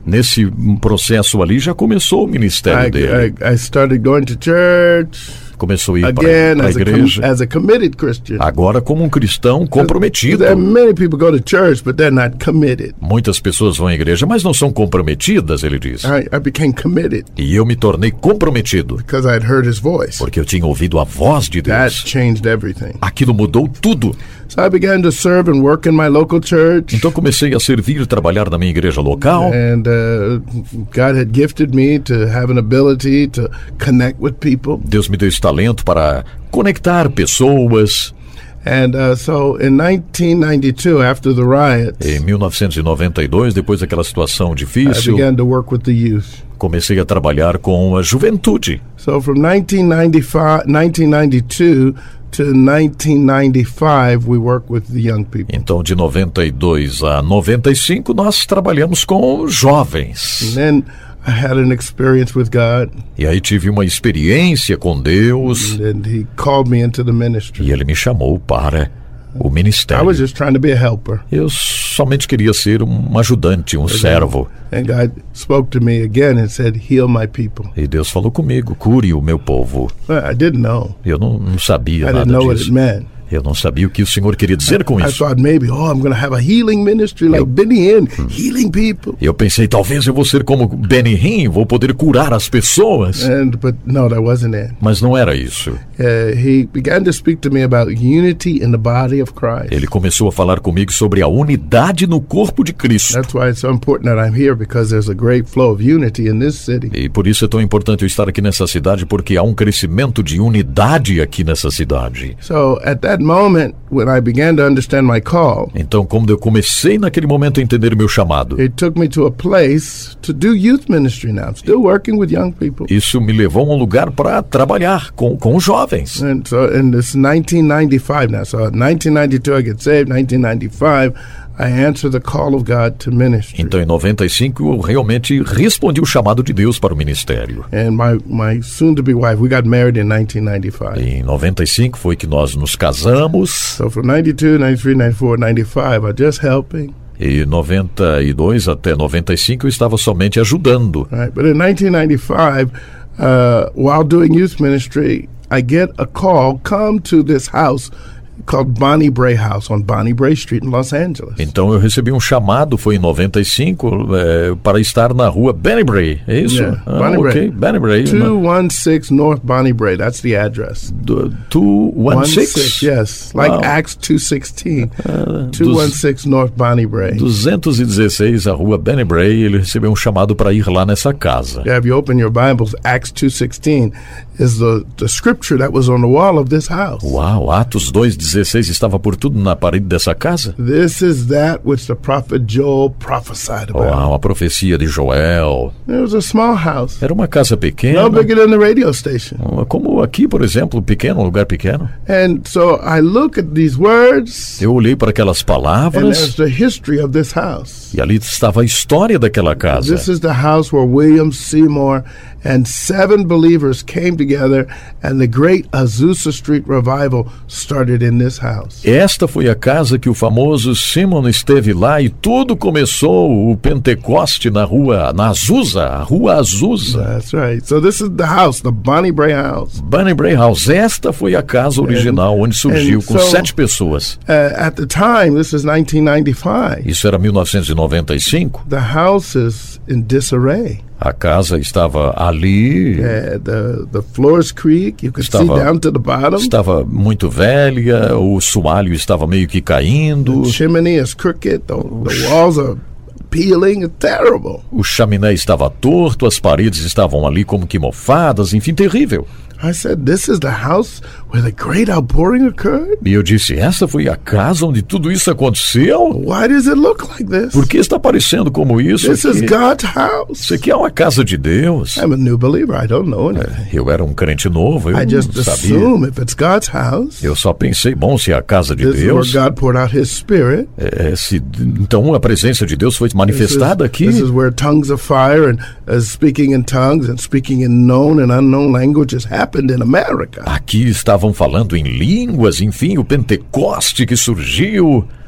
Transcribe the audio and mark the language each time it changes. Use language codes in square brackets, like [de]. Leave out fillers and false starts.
[pt] Nesse processo ali já começou o ministério dele. [en] I started going to church. [pt] Começou a ir para a igreja. [en] As a committed Christian. [pt] Agora como um cristão comprometido. [en] There are many people go to church, but they're not committed. [pt] Muitas pessoas vão à igreja, mas não são comprometidas, ele diz. [en] I became committed. [pt] E eu me tornei comprometido. [en] Because I'd heard his voice. [pt] Porque eu tinha ouvido a voz de Deus. [en] That changed everything. [pt] Aquilo mudou tudo. [en] So I began to serve and work in my local church. [pt] Então comecei a servir e trabalhar na minha igreja local. [en] And God had gifted me to have an ability to connect with people. [pt] Deus me deu esse talento para conectar pessoas. [en] And so in 1992, after the riots, [pt] em 1992, depois daquela situação difícil, [en] I began to work with the youth. [pt] Comecei a trabalhar com a juventude. [en] So from 1992 to 1995, we work with the young people. [pt] Então, de 92 a 95, nós trabalhamos com jovens. [en] And then I had an experience with God. [pt] E aí tive uma experiência com Deus. [en] And he called me into the ministry. [pt] E ele me chamou para o ministério. [en] I was just trying to be a helper. [pt] Eu somente queria ser um ajudante, um servo. [en] And God spoke to me again and said, "Heal my people." [pt] E Deus falou comigo, cure o meu povo. [en] I didn't know. [pt] Eu não sabia nada disso. [en] What it meant. [pt] Eu não sabia o que o Senhor queria dizer com isso. [en] I thought maybe, oh, I'm going to have a healing ministry like Benny Hinn, healing people. [pt] Eu pensei, talvez eu vou ser como Benny Hinn, vou poder curar as pessoas. [en] But no, that wasn't it. [pt] Mas não era isso. [en] He began to speak to me about unity in the body of Christ. [pt] Ele começou a falar comigo sobre a unidade no corpo de Cristo. [en] That's why it's so important that I'm here, because there's a great flow of unity in this city. [pt] E por isso é tão importante eu estar aqui nessa cidade, porque há um crescimento de unidade aqui nessa cidade. [en] So, at that moment when I began to understand my call. [pt] Então, quando eu comecei naquele momento a entender meu chamado. [en] It took me to a place to do youth ministry now. Still working with young people. [pt] Isso me levou a um lugar para trabalhar com jovens. [en] And so in this 1995 now. So 1992 I get saved, 1995 I answer the call of God to ministry. [pt] Então, em 95, eu realmente respondi o chamado de Deus para o ministério. [en] And my soon-to-be wife, we got married in 1995. [pt] Em 95 foi que nós nos casamos. [en] So from 92, 93, 94, 95, I'm just helping. [pt] E 92 até 95 eu estava somente ajudando. [en] Right, but in 1995, while doing youth ministry, I get a call, come to this house called Bonnie Bray House on Bonnie Bray Street in Los Angeles. [pt] Então eu recebi um chamado, foi em 95, para estar na rua Bonnie Bray, é isso? [en] Yeah, Bonnie Bray. Okay, Bonnie Bray. 216 North Bonnie Bray, that's the address. 216? Yes, like wow. Acts 216. 216 North Bonnie Bray. [pt] 216 a rua Bonnie Bray, ele recebeu um chamado para ir lá nessa casa. [en] Yeah, if you open your Bibles, Acts 216 is the scripture that was on the wall of this house. [pt] Uau, Atos 2:16 estava por tudo na parede dessa casa. [en] This is that which the prophet Joel prophesied about. [pt] Uau, a profecia de Joel. [en] It was a small house. [pt] Era uma casa pequena. [en] No bigger than the radio station. [pt] Como aqui, por exemplo, pequeno, um lugar pequeno. [en] And so I look at these words. [pt] Eu olhei para aquelas palavras. [en] And there's the history of this house. [pt] E ali estava a história daquela casa. [en] This is the house where William Seymour And seven believers came together, and the great Azusa Street Revival started in this house. [pt] Esta foi a casa que o famoso Simon esteve lá, e tudo começou, o Pentecoste, na rua, na Azusa, a rua Azusa. [en] That's right. So this is the house, the Bonnie Bray House. Bonnie Bray House. [pt] Esta foi a casa original, and, onde surgiu, com sete pessoas. [en] At the time, this is 1995. [pt] Isso era 1995. [en] The house is in disarray. [pt] A casa estava ali. [en] The floors creak. You could [pt] estava, [en] see down to the bottom. [pt] Estava muito velha. O sualho estava meio que caindo. [en] The chimney is crooked. The walls are peeling. Terrible. [pt] O chaminé estava torto. As paredes estavam ali como que mofadas. Enfim, terrível. [en] I said, this is the house where the great outpouring occurred? [pt] E eu disse, essa foi a casa onde tudo isso aconteceu? [en] Why does it look like this? [pt] Por que está parecendo como isso? [en] This is God's house. [pt] Isso aqui é uma casa de Deus. [en] I'm a new believer, I don't know anything. [pt] Eu era um crente novo, eu [en] I just [pt] não sabia. [en] Assume if it's God's house. [pt] Eu só pensei, bom, se é a casa de [en] this [pt] Deus. [en] Where God poured out his spirit. [pt] Então a presença de Deus foi manifestada [en] this is, [pt] aqui. [en] This is where tongues of fire and speaking in tongues and speaking in known and unknown languages happen. [pt] Aqui estavam falando em línguas, enfim, o Pentecoste que surgiu.